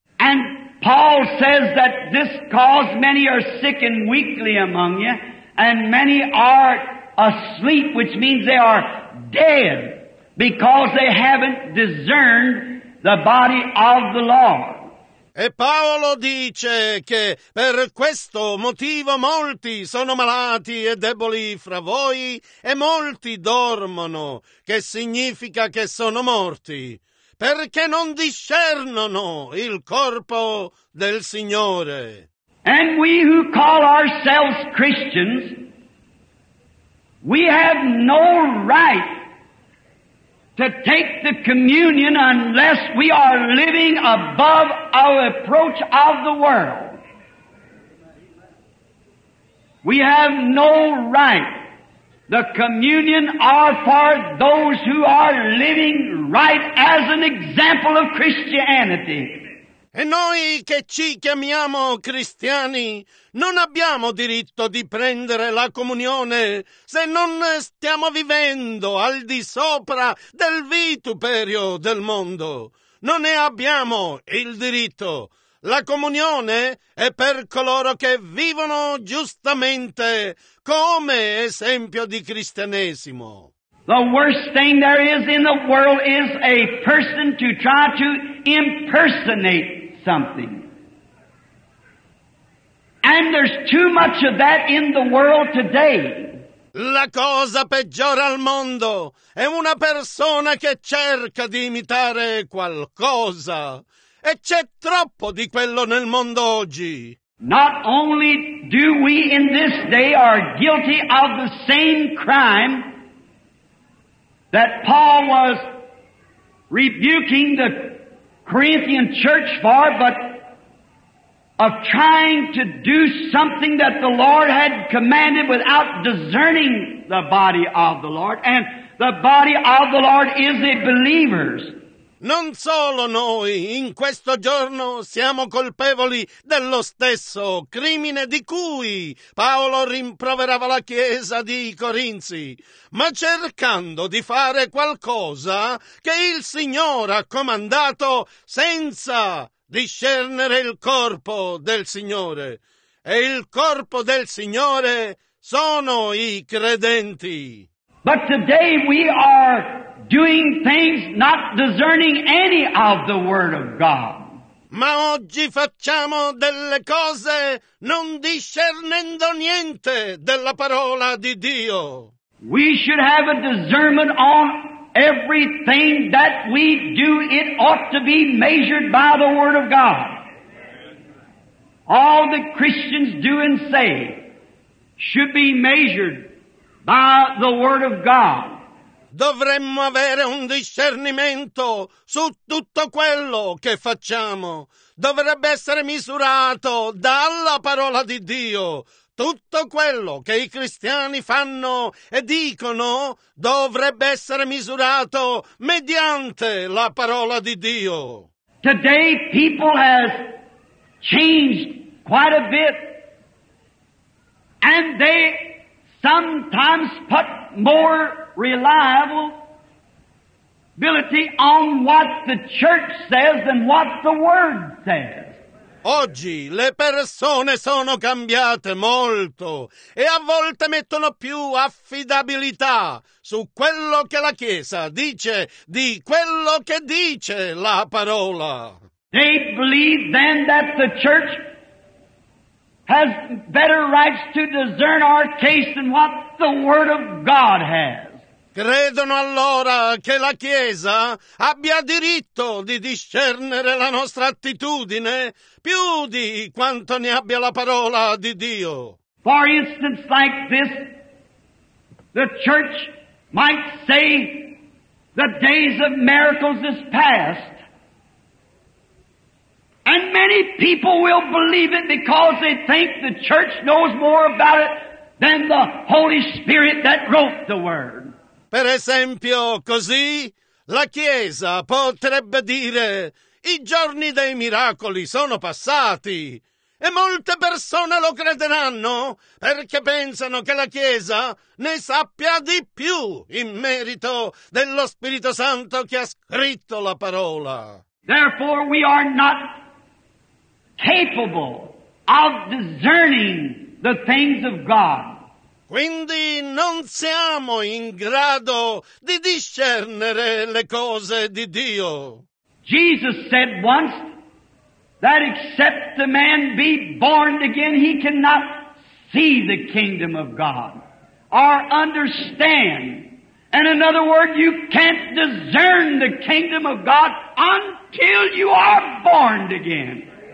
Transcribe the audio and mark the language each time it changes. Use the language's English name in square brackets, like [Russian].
[English] And Paul says that this cause many are sick and weakly among you, and many are asleep, which means they are dead, because they haven't discerned the body of the Lord. [Italian] E Paolo dice che per questo motivo molti sono malati e deboli fra voi e molti dormono, che significa che sono morti, perché non discernono il corpo del Signore. [English] And we who call ourselves Christians, we have no right to take the communion unless we are living above our approach of the world. We have no right. The communion are for those who are living right as an example of Christianity. [Italian] E noi che ci chiamiamo cristiani non abbiamo diritto di prendere la comunione se non stiamo vivendo al di sopra del vituperio del mondo. Non ne abbiamo il diritto. La comunione è per coloro che vivono giustamente come esempio di cristianesimo. [English] The worst thing there is in the world is a person to try to impersonate something. And there's too much of that in the world today. [Italian] La cosa peggiore al mondo è una persona che cerca di imitare qualcosa. E c'è troppo di quello nel mondo oggi. [English] Not only do we in this day are guilty of the same crime that Paul was rebuking the Corinthian church for, but of trying to do something that the Lord had commanded without discerning the body of the Lord, and the body of the Lord is the believers. [Italian] Non solo noi in questo giorno siamo colpevoli dello stesso crimine di cui Paolo rimproverava la chiesa di Corinzi, ma cercando di fare qualcosa che il Signore ha comandato senza discernere il corpo del Signore. E il corpo del Signore sono i credenti. [English] But today we are doing things not discerning any of the Word of God. [Italian] Ma oggi facciamo delle cose non discernendo niente della parola di Dio. [English] We should have a discernment on everything that we do. It ought to be measured by the Word of God. All that Christians do and say should be measured by the Word of God. [Italian] Dovremmo avere un discernimento su tutto quello che facciamo. Dovrebbe essere misurato dalla parola di Dio. Tutto quello che i cristiani fanno e dicono dovrebbe essere misurato mediante la parola di Dio. [English] Today people has changed quite a bit, and they sometimes put more reliability on what the church says than what the Word says. [Italian] Oggi le persone sono cambiate molto e a volte mettono più affidabilità su quello che la Chiesa dice di quello che dice la parola. [English] They believe then that the church has better rights to discern our case than what the Word of God has. [Italian] Credono allora che la Chiesa abbia diritto di discernere la nostra attitudine più di quanto ne abbia la parola di Dio. [English] For instance, like this, the church might say the days of miracles is past. And many people will believe it because they think the church knows more about it than the Holy Spirit that wrote the word. [Italian] Per esempio, così, la Chiesa potrebbe dire «I giorni dei miracoli sono passati» e molte persone lo crederanno perché pensano che la Chiesa ne sappia di più in merito dello Spirito Santo che ha scritto la parola. [English] Therefore we are not capable of discerning the things of God. [Italian] Quindi non siamo in grado di discernere le cose di Dio. [English] Jesus said once, that except the man be born again, he cannot see the kingdom of God or understand. And in other words, you can't discern the kingdom of God until you are born again.